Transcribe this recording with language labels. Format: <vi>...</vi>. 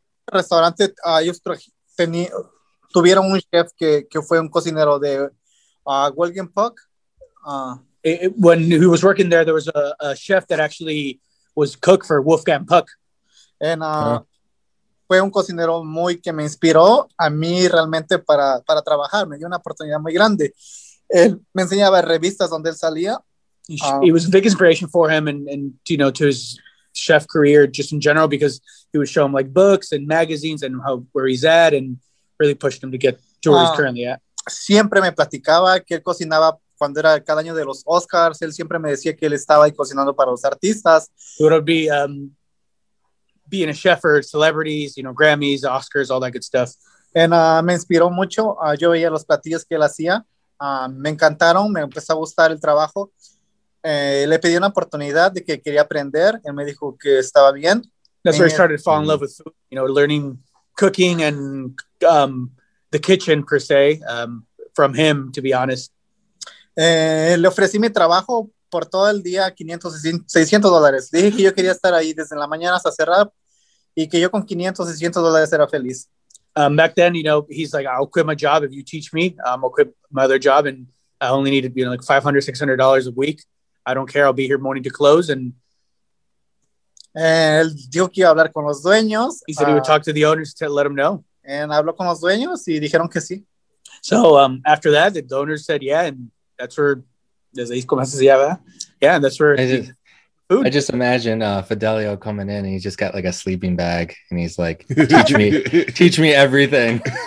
<es>restaurante ellos tuvieron un chef que fue un cocinero de Wilkin Puck.</es> <en>When he was working there, there was a chef that actually was cook for Wolfgang Puck.</en> <es>And fue un cocinero muy que me inspiró a mí realmente para trabajar. Me dio una oportunidad muy grande. Él me enseñaba revistas donde él salía.</es> <en>He was a big inspiration for him and to his chef career just in general, because he would show him like books and magazines and where he's at, and really pushed him to get to where he's currently at.</en> <es>Siempre me platicaba que él cocinaba. Cuando era cada año de los Oscars, él siempre me decía que él estaba ahí cocinando para los artistas.</es> <en>He would be being a chef or celebrities, you know, Grammys, Oscars, all that good stuff.</en> <es>And me inspiró mucho. Yo veía los platillos que él hacía. Me encantaron. Me empezó a gustar el trabajo. Le pedí una oportunidad de que quería aprender. Él me dijo que estaba bien.</es> <en>That's where I started to fall in love with food, you know, learning cooking and the kitchen, per se, from him, to be honest.</en> <es>Le ofrecí mi trabajo por todo el día, $500, $600. Dije que yo quería estar ahí desde la mañana hasta cerrar y que yo con $500, $600 era feliz.</es> <en>Back then, you know, he's like, I'll quit my job if you teach me. I'll quit my other job and I only need, you know, like $500, $600 a week. I don't care. I'll be here morning to close. And</en> <es>él dijo que iba a hablar con los dueños.</es> <en>He said he would talk to the owners to let them know.</en> <es>And habló con los dueños y dijeron que sí.</es> <en>So after that, the donors said, yeah, and that's where,</en> <es>desde ahí comienza, ¿verdad?</es> <en>Yeah, and that's where I just imagine Fidelio coming in and he just got like a sleeping bag and he's like, teach me everything.</en>